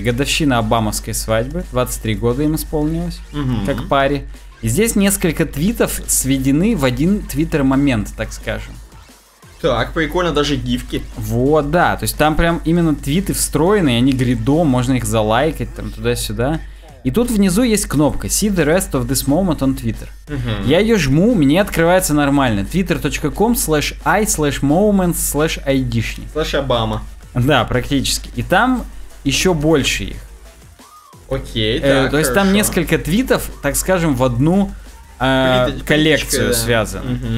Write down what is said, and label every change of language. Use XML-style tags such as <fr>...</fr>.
<ru>Годовщина обамовской свадьбы. 23 года им исполнилось. Как паре. И здесь несколько твитов сведены в один Twitter момент, так скажем. Так, прикольно, даже гифки. Вот, да. То есть там прям именно твиты встроены. И они грядом, можно их залайкать там туда-сюда.</ru> <en>И тут внизу есть кнопка «See the rest of this moment on Twitter».</en> <ru>Я ее жму, мне открывается нормально. twitter.com/i/moments/id-шник. Слэш Обама. Да, практически. И там еще больше их. Окей, так, хорошо. То есть там несколько твитов, так скажем, в одну коллекцию связаны.</ru>